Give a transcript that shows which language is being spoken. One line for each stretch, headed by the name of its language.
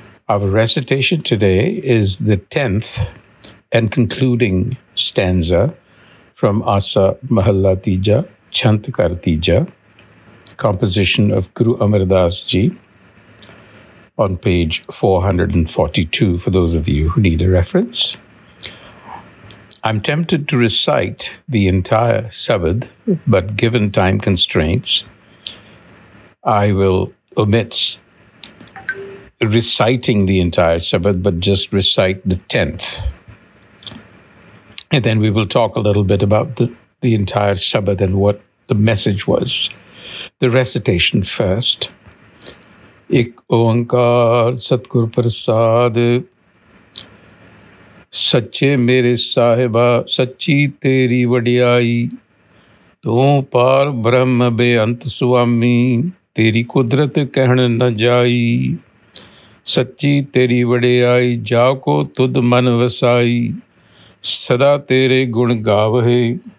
English: Our recitation today is the 10th and concluding stanza from Asa Mahalla Teeja Chhant Ghar Teeja, composition of Guru Amardas ji, on page 442 for those of you who need a reference. I'm tempted to recite the entire Sabad, but given time constraints, I will omit reciting the entire Sabad, but just recite the 10th. And then we will talk a little bit about the entire Sabad and what the message was. The recitation first.
Punjabi: Ik Oankar Satgur Prasad ਸੱਚੇ ਮੇਰੇ ਸਾਹਿਬਾ ਸੱਚੀ ਤੇਰੀ ਵਡਿਆਈ ਤੂੰ ਪਾਰ ਬ੍ਰਹਮ ਬੇਅੰਤ ਸੁਆਮੀ ਤੇਰੀ ਕੁਦਰਤ ਕਹਿਣ ਨ ਜਾਈ ਸੱਚੀ ਤੇਰੀ ਵਡਿਆਈ ਜਾ ਕੋ ਤੁਧ ਮਨ ਵਸਾਈ ਸਦਾ ਤੇਰੇ ਗੁਣ ਗਾਵਹੇ